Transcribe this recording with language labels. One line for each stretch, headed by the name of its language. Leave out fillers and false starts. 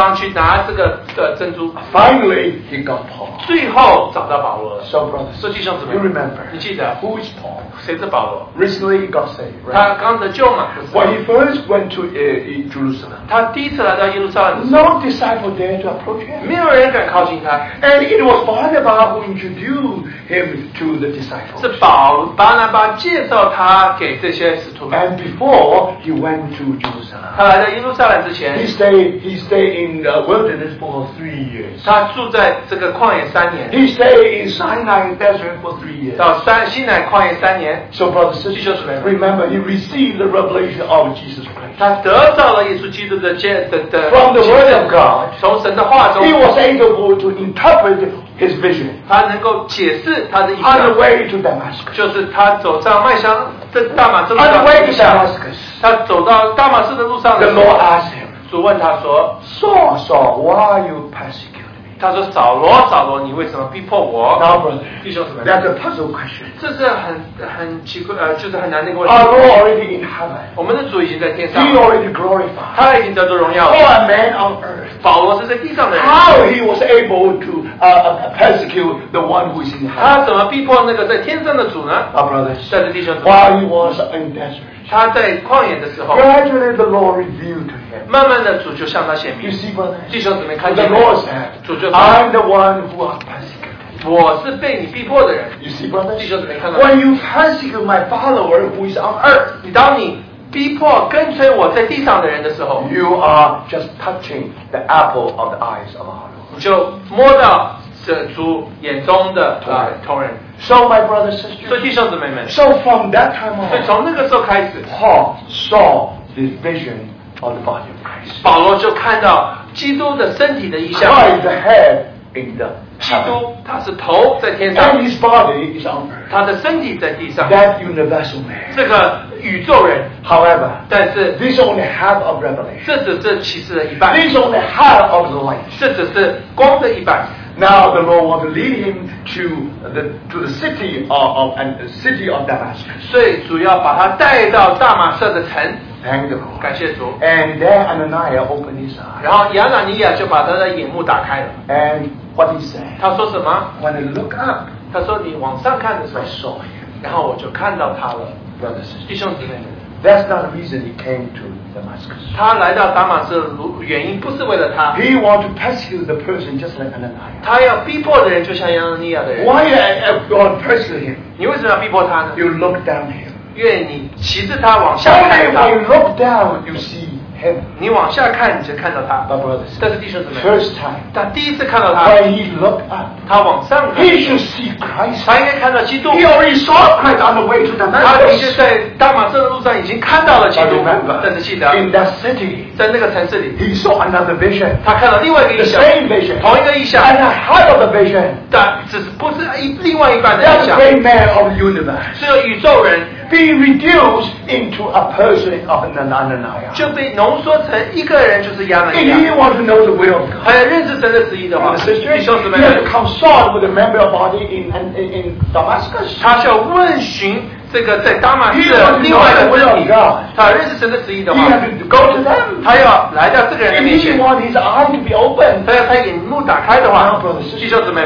Chinese: 你需要到很深的地方去拿这个珍珠.
English: Finally, he got Paul.
Chinese: 最后找到保罗了.
English: So brothers,
Chinese: 弟兄姊妹,
English: you remember,
Chinese: 你记得,
English: who is Paul?
Chinese: 谁是保罗?
English: Recently he got saved, right?
Chinese: 他刚得救嘛,
English: when he first went to Jerusalem,
Chinese: 他第一次来到耶路撒冷的时候,
English: no disciple dared to approach him.
Chinese: 没有人敢靠近他.
English: And it was Barnabas who introduced him to the disciples.
Chinese: 是巴拿巴介绍他给这些使徒们.
English: And before he went to Jerusalem,
Chinese: 他来到耶路撒冷之前,
English: he stayed in the wilderness for 3 years.
Chinese: 他住在这个旷野三年.
English: He stayed in Sinai desert for 3 years.
Chinese: 到西乃旷野三年.
English: So brothers and sisters, remember, he received the revelation of Jesus Christ.
Chinese: 他得到了耶稣基督的
English: from the word of God.
Chinese: 从神的话中,
English: he was able to interpret his vision.
Chinese: 他能够解释他的意思.
English: On the way to Damascus.
Chinese: 就是他走上麦香大马士路上,
English: on the way to Damascus.
Chinese: 他走到大马士的路上,
English: the Lord asked him.
Chinese: 主问他说,
English: Saul, why are you persecuting?
Chinese: 他说,扫罗,扫罗, 你为什么逼迫我?
English: Now, brother, that's a puzzle question.
Chinese: 这是很奇怪,就是很难的一个问题。
English: Our Lord already in heaven.
Chinese: 我们的主已经在天上。
English: He already glorified.
Chinese: 他已经得到荣耀了。
English: For a man on earth.
Chinese: 扫罗是在地上的人。
English: How he was able to persecute the one who is in heaven.
Chinese: 他怎么逼迫那个在天上的主呢?
English: Our brothers,
Chinese: 在这弟兄的主。
English: While he was in desert.
Chinese: 他在旷野的时候,
English: gradually the Lord revealed to him.
Chinese: 慢慢的主就向他显明。
English: You see, brothers,
Chinese: 弟兄姊妹, 看见没?
English: The Lord said, I'm the one who has persecuted.
Chinese: 我是被你逼迫的人。
English: You see, brother?
Chinese: 弟兄姊妹看到。
English: When you persecute my follower who is on earth,
Chinese: 你当你逼迫跟随我在地上的人的时候
English: ，You are just touching the apple of the eyes of our Lord.
Chinese: 你就摸到是主眼中的同人。
English: So my brother, sister.
Chinese: 所以弟兄姊妹们。
English: So from that time on.
Chinese: 所以从那个时候开始
English: ，Paul saw this vision of the body of Christ.
Chinese: 保罗就看到基督的身体的意象。
English: Christ the head in the
Chinese: 基督他是头在天上。
English: And his body is on earth.
Chinese: 他的身体在地上。
English: That universal man.
Chinese: 这个宇宙人。
English: However,
Chinese: 但是
English: this only half of revelation.
Chinese: 这只是启示的一半。
English: This only half of the light.
Chinese: 这只是光的一半。
English: Now the Lord wants to lead him to the city of Damascus.
Chinese: 所以主要把他带到大马色的城。
English: Thank the Lord.
Chinese: 感谢主。
English: And there Ananias opened his eyes.
Chinese: 然后亚拿尼亚就把他的眼目打开了。
English: And what did he say?
Chinese: 他说什么
English: ？When I look up,
Chinese: 他说你往上看的时候
English: ，I saw him.
Chinese: 然后我就看到他了。
English: Brothers,
Chinese: 弟兄姊妹们。
English: That's not the reason he came to Damascus.
Chinese: 他来到达马斯的原因不是为了他。
English: He wanted to persecute the person just like Ananias.
Chinese: 他要逼迫的人就像亚拿尼亚的人。
English: Why did God persecute him?
Chinese: 你为什么要逼迫他呢
English: ？You look down him.
Chinese: 因为你骑着他往下看他。
English: When you look down, you see him.
Chinese: 你往下看你就看到他。
English: But brothers,
Chinese: 但是弟兄姊妹
English: ，First time.
Chinese: 他第一次看到他。
English: When he looked up,
Chinese: 他往上看。
English: He should see Christ.
Chinese: 他应该看到基督。
English: He already saw Christ on the way to Damascus.
Chinese: 他已经在。马色的路上已经看到了基督，但是记得
English: ，in that city，
Chinese: 在那个城市里
English: ，he saw another vision，
Chinese: 他看到另外一个意象
English: ，the same vision，
Chinese: 同一个意象
English: ，and a higher the vision，
Chinese: 但只是不是另外一半的意象
English: ，that great man of universe，
Chinese: 这个宇宙人
English: ，be reduced into a person of Ananias，
Chinese: 就被浓缩成一个人，就是亚拿尼亚。
English: If you want to know the will of God，
Chinese: 还要认识神的旨意的话，弟兄姊妹
English: ，you have to consult with a member of body in Damascus，
Chinese: 他需要问询。这个在大马士的另外的问题，他认识神的旨意的话，他要来到这个人的面前。
English: If he want his eyes to be open，
Chinese: 他要他眼目打开的话，弟兄姊妹